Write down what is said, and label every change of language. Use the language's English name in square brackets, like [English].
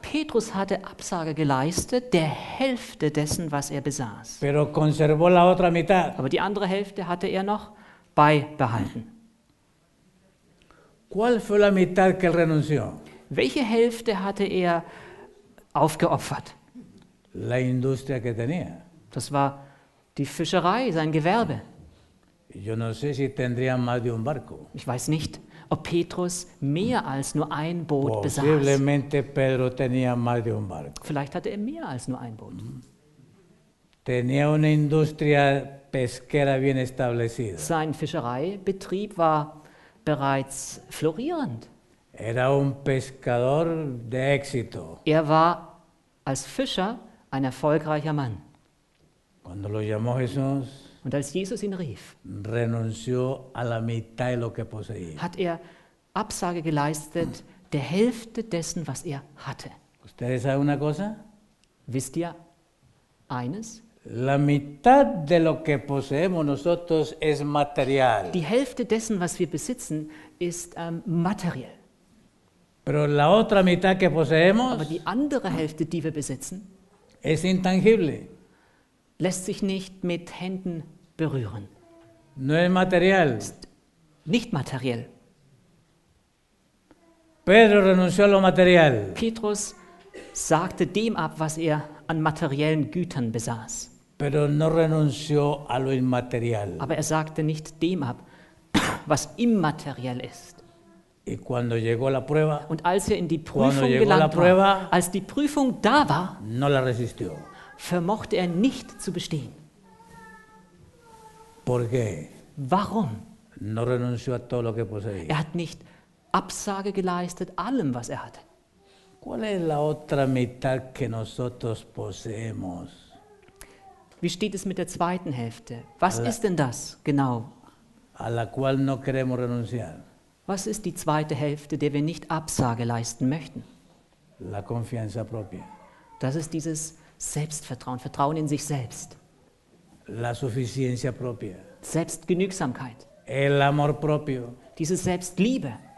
[German] Petrus hatte Absage geleistet, der Hälfte dessen, was er besaß. [Spanish] Pero conservó la otra mitad. [German] Aber die andere Hälfte hatte er noch beibehalten. [Spanish] ¿Cuál fue la mitad que él renunció? [German] Welche Hälfte hatte er aufgeopfert? [Spanish] La industria que tenía. [German] Das war die Fischerei, sein Gewerbe. [Spanish] Yo no sé si tendría más de un barco. [German] Ich weiß nicht, ob Petrus mehr als nur ein Boot besaß. [Spanish] Posiblemente Pedro tenía más de un barco. [German] Vielleicht hatte er mehr als nur ein Boot. [Spanish] Tenía una industria pesquera bien establecida. [German] Sein Fischereibetrieb war bereits florierend. [Spanish] Era un pescador de éxito. [German] Er war als Fischer ein erfolgreicher Mann. [Spanish] Cuando lo llamó Jesús. [German] Und als Jesus ihn rief, [Spanish] renunció a la mitad de lo que poseía. [German] Hat er Absage geleistet der Hälfte dessen, was er hatte. [Spanish] ¿Ustedes saben una cosa? [German] Wisst ihr eines? [Spanish] La mitad de lo que poseemos nosotros es material. [German] Die Hälfte dessen, was wir besitzen, ist materiell. [Spanish] Pero la otra mitad que poseemos, [German] aber die andere Hälfte, die wir besitzen, [Spanish] es intangible. [German] Lässt sich nicht mit Händen berühren. [Spanish] No es material. [German] Ist nicht materiell. [Spanish] Pedro renunció a lo material. [German] Petrus sagte dem ab, was er an materiellen Gütern besaß. [Spanish] Pero no renunció a lo inmaterial. [German] Aber er sagte nicht dem ab, was immateriell ist. [Spanish] Y cuando llegó la prueba, [German] und als er in die Prüfung gelangt [Spanish] prueba, [German] war, als die Prüfung da war, [Spanish] no la resistió. [German] Vermochte er nicht zu bestehen. [Spanish] ¿Por qué? [German] Warum? [Spanish] No renunció a todo lo que poseía. [German] Er hat nicht Absage geleistet allem, was er hatte. [Spanish] ¿Cuál es la otra mitad que nosotros poseemos? [German] Wie steht es mit der zweiten Hälfte? Was ist denn das genau? [Spanish] A la cual no queremos renunciar. [German] Was ist die zweite Hälfte, der wir nicht Absage leisten möchten? [Spanish] La confianza propia. [German] Das ist dieses Selbstvertrauen, Vertrauen in sich selbst. [Spanish] La suficiencia propia. [German] Selbstgenügsamkeit. [Spanish] El amor propio. [German] Diese Selbstliebe.